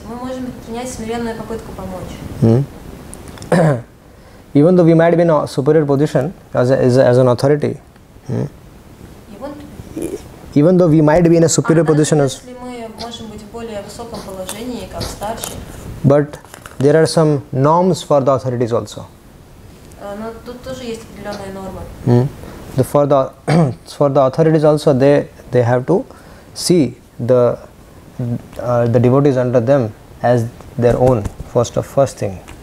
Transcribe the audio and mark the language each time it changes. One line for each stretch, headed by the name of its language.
Russian: Мы можем принять смиренную попытку помочь.
English: Even though we might be in a superior position as an authority. Even though we might be in a superior position as.
Russian: Если мы можем быть в более высоком положении, как старший.
English: But there are some norms for the authorities also.
Russian: Но тут тоже есть определенные нормы.
English: For the authorities also, they have to see the devotees under them as their own, first thing.